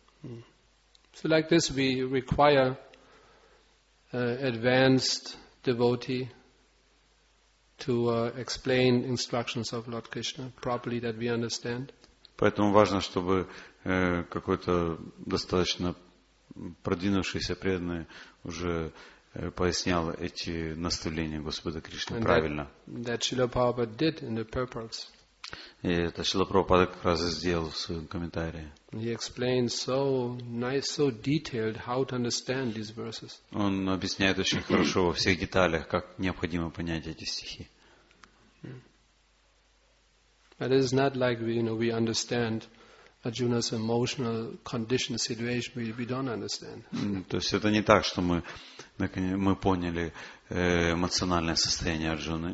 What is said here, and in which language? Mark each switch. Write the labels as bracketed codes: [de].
[en] So like this we require advanced devotee to explain instructions of Lord Krishna properly that we understand. [ru] Поэтому важно, чтобы какой-то достаточно продвинувшийся преданный уже пояснял эти наставления Господа Кришны правильно. [en] That Śrīla Prabhupāda did in the purports. [ru] И это Śrīla Prabhupāda как раз сделал в своем комментарии. [en] He explained so nice, so detailed how to understand these verses. [ru] Он объясняет очень хорошо во всех деталях, как необходимо понять эти стихи. [en] But it is not like we, you know, we understand Arjuna's emotional condition situation. We don't understand. [ru] То есть это не так, что мы поняли эмоциональное состояние Арджуны.